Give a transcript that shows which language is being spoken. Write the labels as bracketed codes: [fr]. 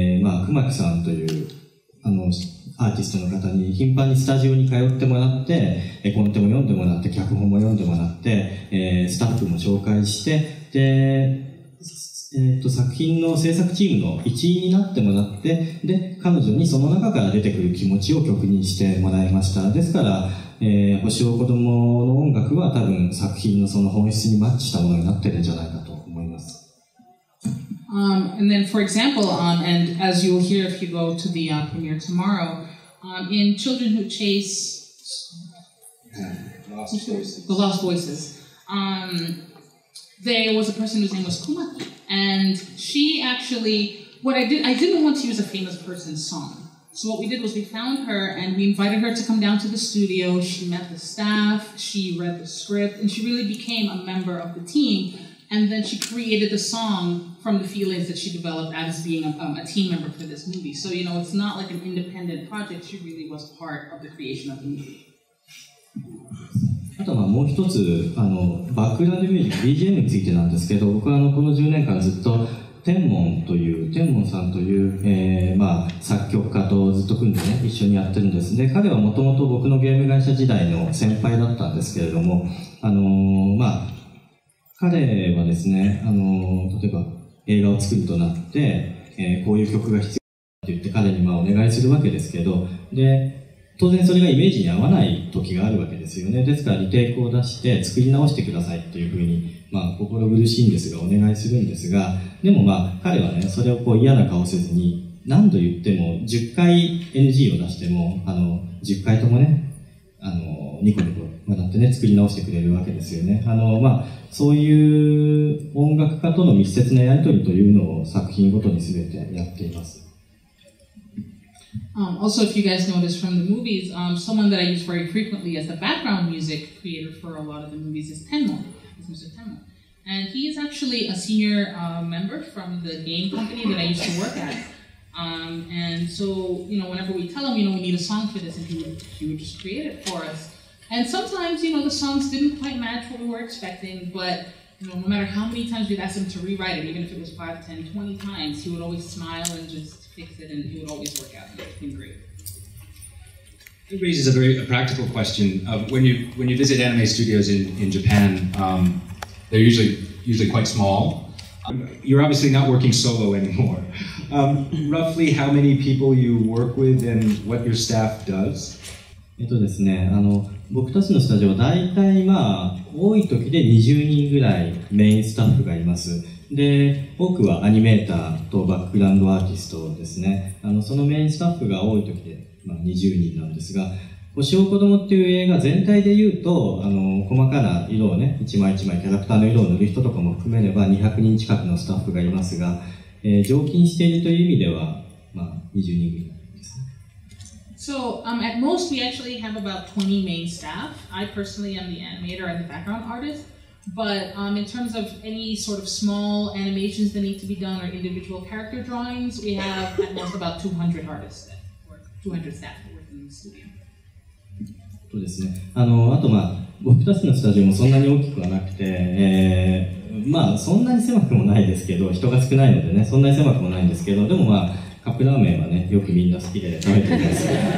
[ja] で、次回作の、明日見ていただける星を子供という作品では、熊木杏里という熊木さんっていうね、シンガーソングライターの方に主題歌を書いてもらったんですけど、映画のために。映画が終わって最後に撮ってつけたように有名な人の曲が流れるという形にはしたくなかったので、熊木さんという、アーティストの方に頻繁にスタジオに通ってもらって、コンテも読んでもらって、脚本も読んでもらって、スタッフも紹介して、で、作品の制作チームの一員になってもらって、で、彼女にその中から出てくる気持ちを曲にしてもらいました。ですから、星を子供の音楽は多分作品のその本質にマッチしたものになってるんじゃないかと思います。 [en] And then, for example, and as you will hear if you go to the premiere tomorrow, in Children Who Chase, The Lost Voices, there was a person whose name was Kumaki, and she actually, I didn't want to use a famous person's song. So what we did was we found her and we invited her to come down to the studio. She met the staff, she read the script, and she really became a member of the team. And then she created the song from the feelings that she developed as being a team member for this movie. So, you know, it's not like an independent project. She really was part of the creation of the movie. [ja] あとまあもう一つあのバックグラウンドミュージック BGM についてなんですけど、僕はあのこの10年間ずっと天文さんという、まあ作曲家とずっと組んでね一緒にやってるんですね。彼はもともと僕のゲーム会社時代の先輩だったんですけれども、まあ彼はですね、例えば映画を作るとなって、こういう曲が必要だって言って彼にまあお願いするわけですけど、で当然それがイメージに合わない時があるわけですよね。ですからリテイクを出して作り直してくださいというふうに、まあ心苦しいんですがお願いするんですが、でもまあ彼はね、それをこう嫌な顔せずに何度言っても10回 NG を出しても、10回ともね、ニコニコ笑ってね、作り直してくれるわけですよね。まあそういう音楽家との密接なやりとりというのを作品ごとに全てやっています。 [en] Also, if you guys notice from the movies, someone that I use very frequently as the background music creator for a lot of the movies is Tenmon, is Mr. Tenmon. And he is actually a senior member from the game company that I used to work at. And so, you know, whenever we tell him, you know, we need a song for this, and he would just create it for us. And sometimes, you know, the songs didn't quite match what we were expecting, but, you know, no matter how many times we'd ask him to rewrite it, even if it was 5, 10, 20 times, he would always smile and just... It raises a very practical question. When you visit anime studios in Japan, they're usually quite small. You're obviously not working solo anymore. Roughly how many people you work with and what your staff does? [ja] ですね、僕たちのスタジオは大体まあ多い時で20人ぐらいメインスタッフがいます。で、多くはアニメーターとバックグラウンドアーティストですね。そのメインスタッフが多い時で、まあ、20人なんですが、星を子供っていう映画全体で言うと、細かな色をね、一枚一枚キャラクターの色を塗る人とかも含めれば200人近くのスタッフがいますが、常勤しているという意味では、まあ、20人ぐらいです。 [en] So, at most we actually have about 20 main staff. I personally am the animator and the background artist. But in terms of any sort of small animations that need to be done or individual character drawings, we have at most about 200 artists that work, 200 staff that work in the studio. [ja] そうですね。あとまあ僕たちのスタジオもそんなに大きくはなくて、まあそんなに狭くもないですけど、人が少ないのでね、そんなに狭くもないんですけど、でもまあカップラーメンはね、よくみんな好きで食べています。